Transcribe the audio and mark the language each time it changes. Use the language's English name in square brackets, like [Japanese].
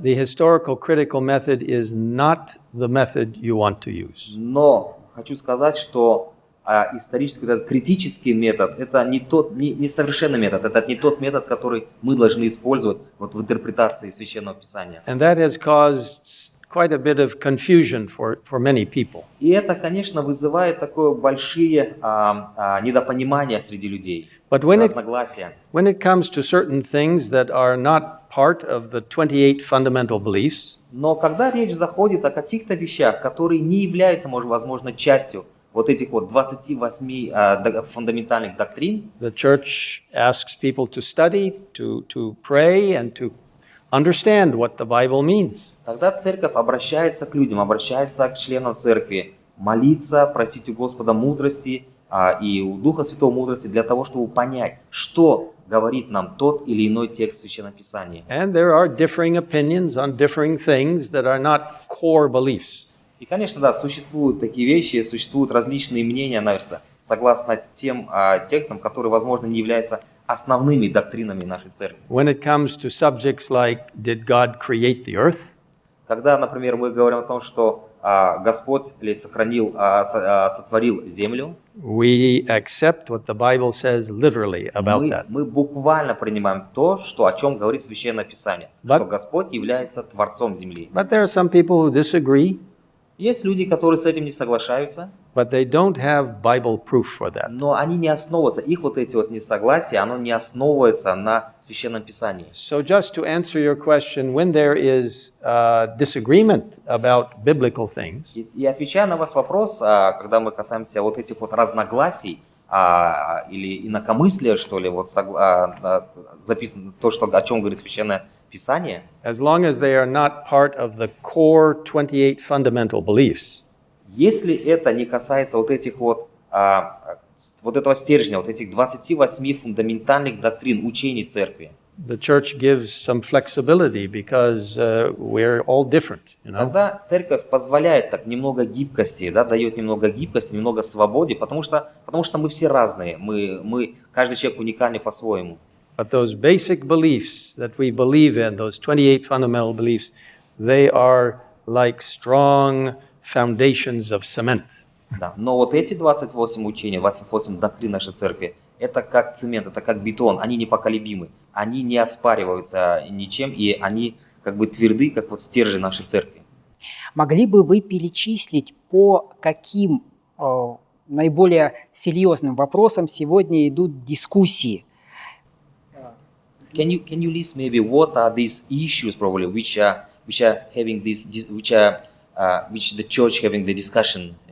[English] The historical critical method is not the method you want to use. [Russian] Но хочу сказать, что исторический этот критический метод это не совершенный метод, это не тот метод, который мы должны использовать вот в интерпретации Священного Писания. [English] And that has caused quite a bit of confusion for many people. [Russian] И это, конечно, вызывает такое большие недопонимания среди людей. [English] But when it comes to certain things that are not part of the 28 fundamental beliefs, [Russian] но когда речь заходит о каких-то вещах, которые не являются, может, возможно, частью вот этих вот 28 фундаментальных доктрин, [English] the church asks people to study, to pray and to understand what the Bible means. [Russian] Тогда церковь обращается к людям, обращается к членам церкви, молиться, просить у Господа мудрости и у Духа Святого мудрости для того, чтобы понять, что говорит нам тот или иной текст Священного Писания. [English] And there are differing opinions on differing things that are not core beliefs. [Russian] И, конечно, да, существуют такие вещи, существуют различные мнения, наверное, согласно тем текстам, которые, возможно, не являются основными доктринами нашей церкви. [English] When it comes to subjects like, did God create the earth? [Russian] Когда, например, мы говорим о том, что Господь или сохранил, сотворил землю. [English] We accept what the Bible says literally about that. [Russian] Мы буквально принимаем то, что о чем говорит Священное Писание, что Господь является творцом земли. [English] But there are some people who disagree. [Russian] Есть люди, которые с этим не соглашаются. [English] But they don't have Bible proof for that. [Russian] Но они не основываются, их вот эти вот несогласия, оно не основывается на Священном Писании. [English] So just to answer your question, when there is disagreement about biblical things. [Russian] И отвечая на ваш вопрос, когда мы касаемся вот этих вот разногласий или инакомыслия, что ли, вот записано то, что о чем говорит Священное Писание. [English] As long as they are not part of the core 28 fundamental beliefs. [Russian] Если это не касается вот этих вот, вот этого стержня, вот этих 28 фундаментальных доктрин, учений церкви. [English] The church gives some flexibility because we're all different, you know. [Russian] Тогда церковь позволяет так немного гибкости, да, дает немного гибкости, немного свободы, потому что мы все разные, мы каждый человек уникальный по-своему. [English] But those basic beliefs that we believe in, those 28 fundamental beliefs, they are like strong foundations of cement. [Russian] Да, но вот эти 28 учений, 28 доктрин нашей церкви, это как цемент, это как бетон, они непоколебимы, они не оспариваются ничем, и они как бы тверды, как вот стержень нашей церкви. Могли бы вы перечислить, по каким наиболее серьезным вопросам сегодня идут дискуссии? [English] Can you list maybe what are these issues probably which the church having the discussion?